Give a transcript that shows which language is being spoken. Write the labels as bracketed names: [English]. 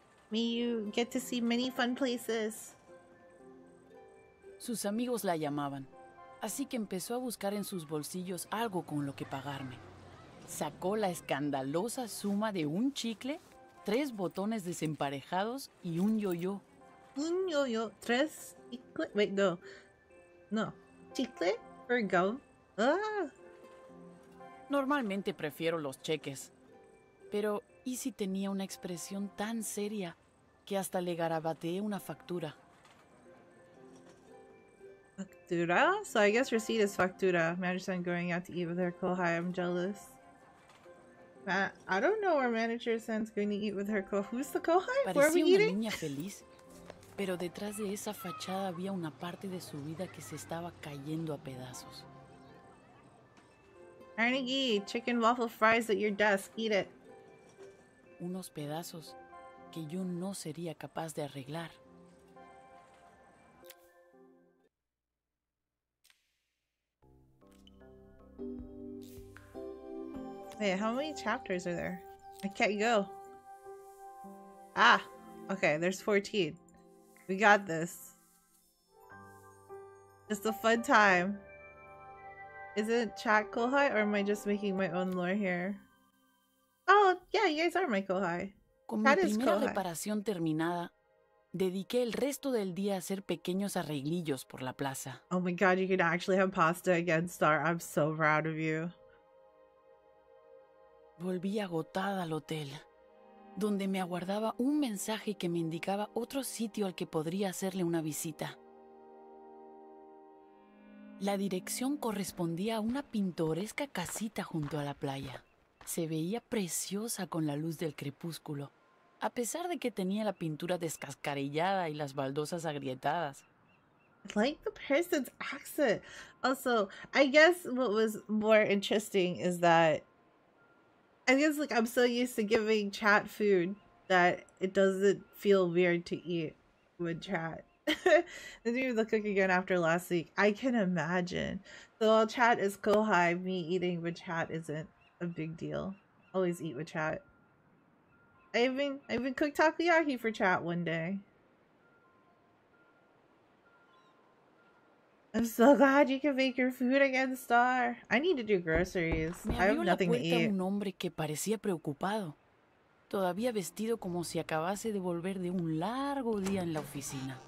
[English] May you get to see many fun places. [Spanish] Sus amigos la llamaban, así que empezó a buscar en sus bolsillos algo con lo que pagarme. Sacó la escandalosa suma de un chicle, 3 botones desemparejados y un yo-yo. ¿Un yo-yo? ¿Tres chicle? [English] Wait, no. No. ¿Chicle? ¿Or gum? Ah. [Spanish] Normalmente prefiero los cheques. Pero Izzy tenía una expresión tan seria que hasta le garabateé una factura. [English] ¿Factura? So I guess receipt is factura. Manager's going out to eat with her kohai. I'm jealous. I don't know where manager sends going to eat with her kohai. Who's the kohai? Where are we eating? [Spanish] Parecía una niña feliz, pero detrás de esa fachada había una parte de su vida que se estaba cayendo a pedazos. [English] Carnegie, chicken waffle fries at your desk. Eat it. [Spanish] Unos pedazos que yo no sería capaz de arreglar. [English] Wait, how many chapters are there? I can't go. Ah, okay, there's 14. We got this. Just a fun time. Is it chat kohai or am I just making my own lore here? Oh, yeah, you guys are my kohai. [Spanish] Con mi primera reparación terminada, dediqué el resto del día a hacer pequeños arreglillos por la plaza. [English] Oh my god, you can actually have pasta again, Star. I'm so proud of you. [Spanish] Volví agotada al hotel, donde me aguardaba un mensaje que me indicaba otro sitio al que podría hacerle una visita. La dirección correspondía a una pintoresca casita junto a la playa. Se veía preciosa con la luz del crepúsculo, a pesar de que tenía la pintura descascarillada y las baldosas agrietadas. [English] I like the person's accent. Also, I guess what was more interesting is that I guess, like, I'm so used to giving chat food that it doesn't feel weird to eat with chat. This is the cook again after last week. I can imagine. So while chat is kohai, me eating with chat isn't a big deal. Always eat with chat. I even cooked takoyaki for chat one day. I'm so glad you can make your food again, Star. I need to do groceries. I have nothing to eat. [Spanish] Un hombre que parecía preocupado. todavía vestido como si acabase de volver de un largo día en la oficina.